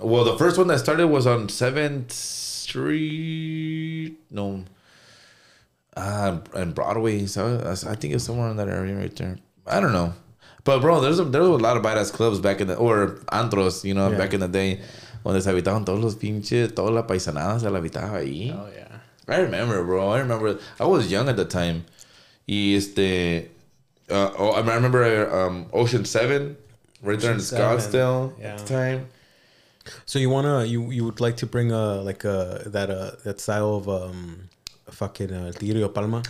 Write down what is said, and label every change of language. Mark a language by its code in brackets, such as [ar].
[en] Well, the first one that started was on 7th Street... No. And Broadway. So I think it's somewhere in that area right there. I don't know. But bro, there was a lot of badass clubs back in the, or antros, you know, yeah, back in the day. [es] Donde se habitaban todos los pinches, toda la paisanada se la habitaba ahí. [en] Oh, yeah. I remember. I was young at the time. Y I remember Ocean 7, right there in Scottsdale at the time. So you would like to bring that style of fucking Tirio Palma,